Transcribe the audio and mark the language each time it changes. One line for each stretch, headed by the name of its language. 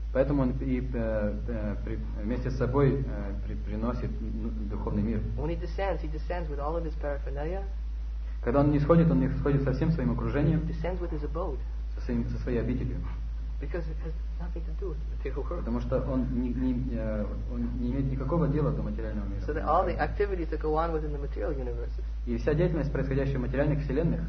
Russian: Поэтому он и вместе с собой приносит духовный мир.
English: When he descends, he descends with all of his paraphernalia.
Russian: Когда он нисходит, он нисходит со всем своим окружением.
English: He descends with his abode.
Russian: со своей обителью.
English: Because it has nothing to do with the material world.
Russian: Потому что он не имеет никакого дела до материального мира.
English: So that all the activities that go on within the material universes.
Russian: И вся деятельность, происходящая в материальных вселенных.